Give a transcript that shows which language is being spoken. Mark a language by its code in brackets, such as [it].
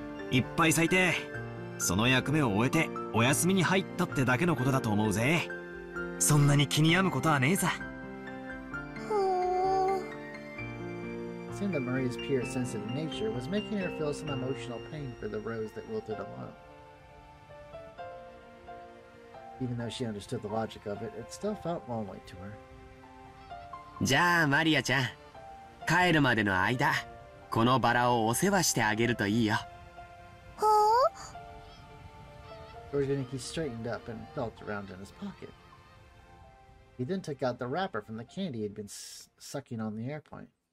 [ja] いっぱい咲いて、その役目を終えてお休みに入ったってだけのことだと思うぜ。そんなに気に病むことはねえさ。 [en] Seeing that Maria's pure, sensitive nature was making her feel some emotional pain for the rose that wilted alone. Even though she understood the logic of it, it still felt lonely to her. [ja] じゃあ、マリアちゃん。帰るまでの間、このバラをお世話してあげるといいよ。ほう？ [en] Rokkenjima straightened up and felt around in his pocket. He then took out the wrapper from the candy he'd been sucking on the airplane.